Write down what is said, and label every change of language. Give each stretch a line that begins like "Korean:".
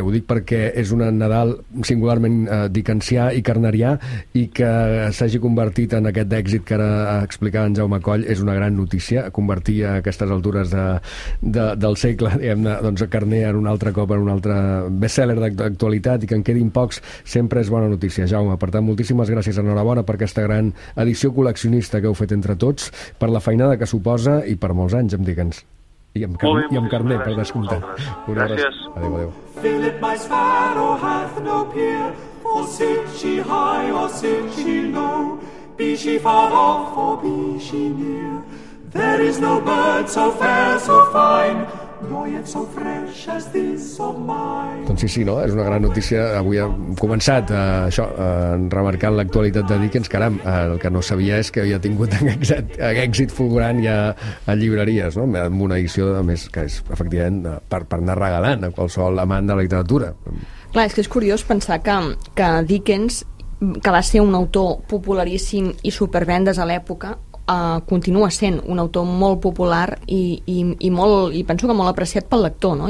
Catalan: Ho dic perquè és un Nadal singularment dickensià i carnerià, i que s'hagi convertit en aquest èxit que ara explicava en Jaume Coll és una gran notícia, convertir a aquestes altures del segle, diguem-ne, doncs a Carner en un altre cop, en un altre best-seller d'actualitat, i que en quedin pocs, sempre és bona notícia, Jaume. Per tant, moltíssimes gràcies, enhorabona per aquesta gran edició col·leccionista que heu fet entre tots, per la feinada que suposa, i per molts anys, em digue'ns. I amb carnet, molt bé, i amb carnet per descomptat. Gràcies. Adéu, adéu.
English: Philip, my sparrow, hath no peer, for sit she high or sit she low, be she far off or be she near, there is no bird so fair, so fine,
Catalan: doncs sí, no? És una gran notícia. Avui hem començat això, remarcant l'actualitat de Dickens. Caram, el que no sabia és que havia tingut èxit fulgurant ja a llibreries, no? Amb una edició, a més, que és efectivament per anar regalant a qualsevol amant de la literatura. Clar, és que és curiós pensar que Dickens, que va ser un autor popularíssim i supervendes a l'època, continua sent un autor molt popular i penso que molt apreciat pel lector, no?